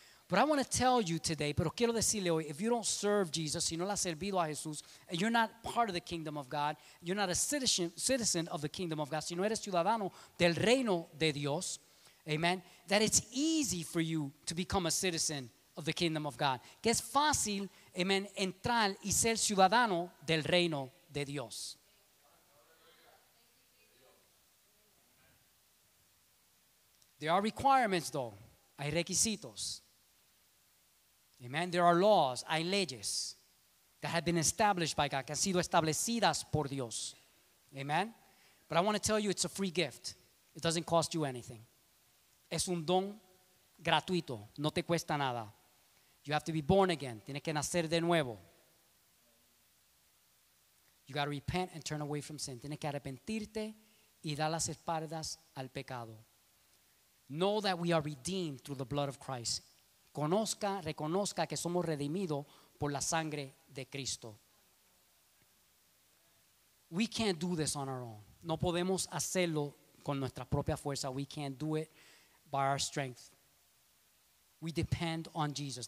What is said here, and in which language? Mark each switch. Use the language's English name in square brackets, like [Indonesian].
[English] But I want to tell you today, [Spanish] pero quiero decirle hoy, [English] if you don't serve Jesus, [Spanish] si no le has servido a Jesús, [English] and you're not part of the kingdom of God, you're not a citizen of the kingdom of God, [Spanish] si no eres ciudadano del reino de Dios, [English] amen, that it's easy for you to become a citizen of the kingdom of God. [Spanish] Que es fácil, amen, entrar y ser ciudadano del reino de Dios. [English] There are requirements, though. [Spanish] Hay requisitos. [English] Amen. There are laws. [Spanish] Hay leyes [English] that have been established by God, [Spanish] que han sido establecidas por Dios. Amen. [English] But I want to tell you, it's a free gift. It doesn't cost you anything. [Spanish] Es un don gratuito. No te cuesta nada. [English] You have to be born again. [Spanish] Tienes que nacer de nuevo. [English] You got to repent and turn away from sin. [Spanish] Tienes que arrepentirte y dar las espaldas al pecado. [English] Know that we are redeemed through the blood of Christ. [Spanish] Conozca, reconozca que somos redimidos por la sangre de Cristo. [English] We can't do this on our own. [Spanish] No podemos hacerlo con nuestra propia fuerza. [English] We can't do it by our strength. We depend on Jesus.